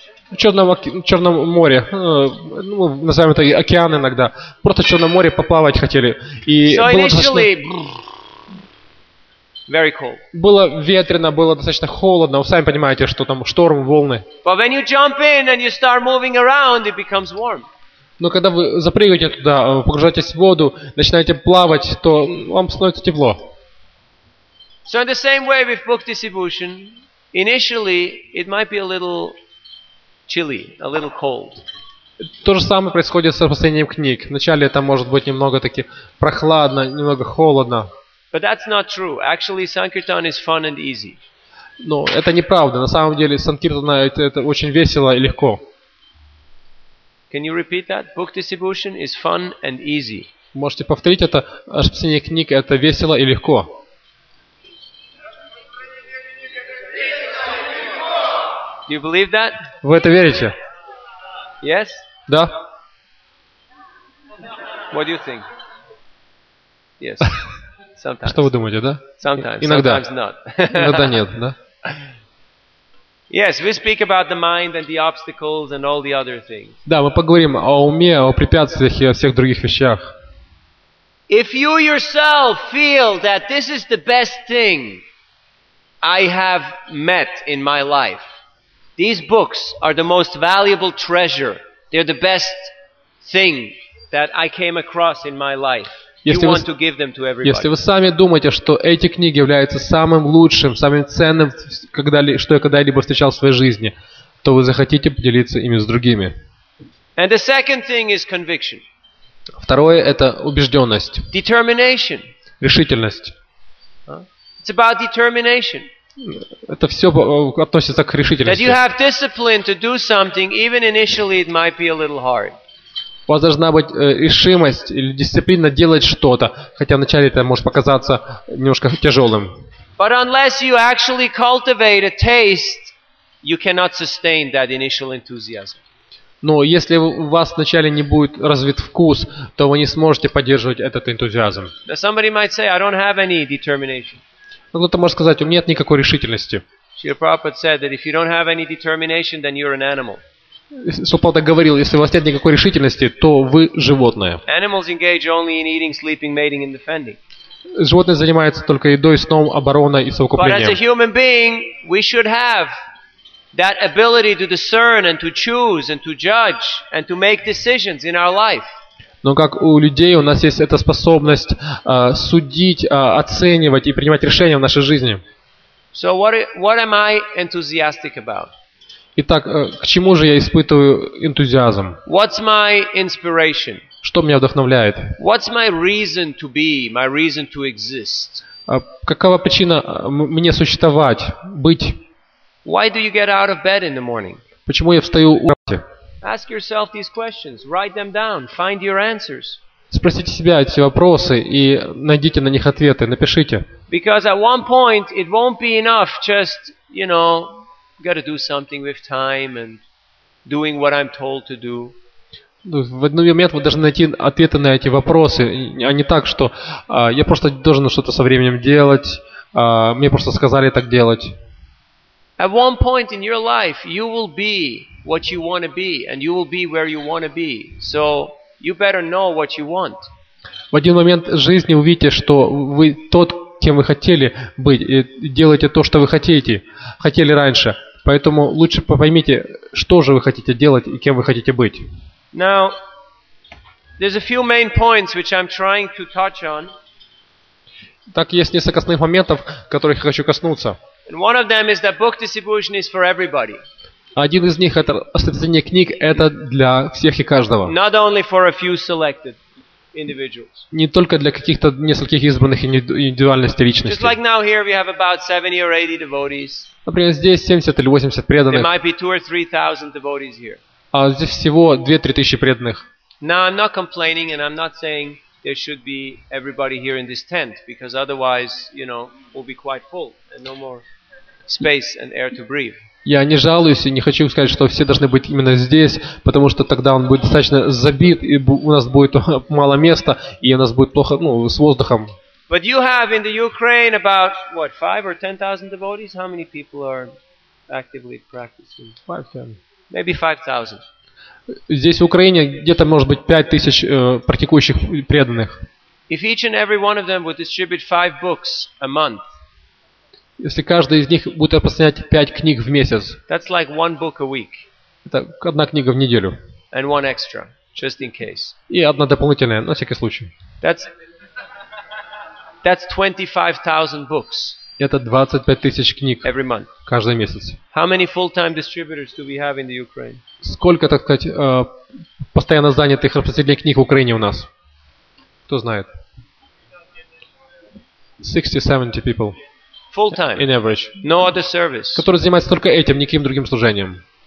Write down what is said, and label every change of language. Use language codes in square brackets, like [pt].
[ru] В Черном море, ну, назовем это океан иногда, просто в Черном море поплавать хотели. И [en] so [ru] было достаточно... [en] Very cold. [ru] Было ветрено, было достаточно холодно, вы сами понимаете, что там шторм, волны. [en] But when you jump in and you start moving around, it becomes warm. [ru] Но когда вы запрыгиваете туда, погружаетесь в воду, начинаете плавать, то вам становится тепло. [en] So in the same way with book distribution, initially, it might be a little chilly, a little cold. [ru] То же самое происходит с распространением книг. Вначале это может быть немного таки прохладно, немного холодно. [en] But that's not true. Actually, Sankirtan is fun and easy. [ru] Но это неправда. На самом деле, Санкиртана это очень весело и легко. [en] Can you repeat that? Book distribution is fun and easy. [ru] Можете повторить это? Распространение книг – это весело и легко. [en] Do you believe that? [ru] Вы это верите? [en] Yes? [ru] Да. [en] What do you think? Yes. Sometimes. [ru] Что вы думаете, да? [en] Sometimes. [ru] Иногда. [en] Sometimes not. [ru] Иногда нет, да? [en] Yes, we speak about the mind and the obstacles and all the other things. [ru] Да, мы поговорим о уме, о препятствиях и о всех других вещах. [en] If you yourself feel that this is the best thing I have met in my life, these books are the most valuable treasure. They're the best thing that I came across in my life. You want to give them to everybody. [ru] Если вы сами думаете, что эти книги являются самым лучшим, самым ценным, что я когда-либо встречал в своей жизни, то вы захотите поделиться ими с другими. [en] And the second thing is conviction. [ru] Второе – это убежденность. [en] Determination. [ru] Решительность. [en] It's about determination. [ru] Это все относится к решительности. [en] That you have discipline to do something, even initially it might be a little hard. [ru] У вас должна быть решимость или дисциплина делать что-то, хотя вначале это может показаться немножко тяжелым. [en] But unless you actually cultivate a taste, you cannot sustain that initial enthusiasm. [ru] Но если у вас вначале не будет развит вкус, то вы не сможете поддерживать этот энтузиазм. [en] Now somebody might say, I don't have any determination. [ru] Кто-то может сказать, у меня нет никакой решительности. [en] Srila Prabhupada said that if you don't have any determination, then you're an animal. [ru] Сопада говорил, если у вас нет никакой решительности, то вы животное. [en] Animals engage only in eating, sleeping, mating, and defending. [ru] Животное занимается только едой, сном, обороной и совокуплением. [en] But as a human being, we should have that ability to discern and to choose and to judge and to make decisions in our life. [ru] Но как у людей у нас есть эта способность судить, оценивать и принимать решения в нашей жизни. [en] So what am I enthusiastic about? [ru] Итак, к чему же я испытываю энтузиазм? [en] What's my inspiration? [ru] Что меня вдохновляет? [en] What's my reason to be, my reason to exist? [ru] Какова причина мне существовать, быть? [en] Why do you get out of bed in the morning? [ru] Почему я встаю утром? [en] Ask yourself these questions, write them down, find your answers. [ru] Спросите себя эти вопросы и найдите на них ответы, напишите. [en] Because at one point it won't be enough just, you know, got to do something with time and doing what I'm told to do. [ru] В один момент вы должны найти ответы на эти вопросы, а не так, что я просто должен что-то со временем делать, мне просто сказали так делать. [en] At one point in your life you will be what you want to be and you will be where you want to be. So you better know what you want. [ru] В один момент жизни увидите, что вы тот, кем вы хотели быть, и делаете то, что вы хотели раньше. Поэтому лучше поймите, что же вы хотите делать и кем вы хотите быть. [en] Now there's a few main points which I'm trying to touch on. [ru] Так есть несколько основных моментов, которых я хочу коснуться. [en] And one of them is that book distribution is for everybody. [ru] Один из них это распространение книг это для всех и каждого. [en] Not only for a few selected individuals. [ru] Не только для каких-то нескольких избранных индивидуальностей личностей. [en] Just like now here we have about 70 or 80 devotees. [ru] Например, здесь 70 или 80 преданных. [en] There might be 2,000 or 3,000 devotees here. [ru] А здесь всего 2,000-3,000 преданных. [en] Now I'm not complaining and I'm not saying there should be everybody here in this tent because otherwise, you know, we'll be quite full and no more space and air to breathe. [ru] Я не жалуюсь и не хочу сказать, что все должны быть именно здесь, потому что тогда он будет достаточно забит и у нас будет мало места и у нас будет плохо, ну, с воздухом. [en] But you have in the Ukraine about what, 5,000 or 10,000 devotees? How many people are actively practicing? 5,000. Maybe 5,000. [ru] Здесь в Украине где-то может быть 5,000 практикующих преданных. [en] If each and every one of them would distribute 5 books a month. [ru] Если каждый из них будет распространять 5 книг в месяц. [en] That's like one book a week. [ru] Это одна книга в неделю. [en] And one extra, just in case. [ru] И одна дополнительная на всякий случай. [en] That's 25,000 books. [ru] Это 25,000 книг [en] every month. [ru] Каждый месяц. [en] How many full-time distributors do we have in the Ukraine? [ru] Сколько, так сказать, постоянно занятых распространителей книг в Украине у нас? Кто знает? [en] 60-70 people. Full-time. In average. No other service. [ru] Который занимается только этим, никаким другим служением.